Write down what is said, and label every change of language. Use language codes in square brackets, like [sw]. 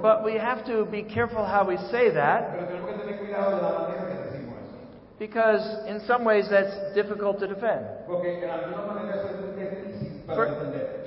[en] But we have to be careful how we say that. [es] Pero tenemos que tener cuidado de la manera que decimos eso. [en] Because in some ways that's difficult to defend. [es] Porque en alguna manera eso es difícil para defender.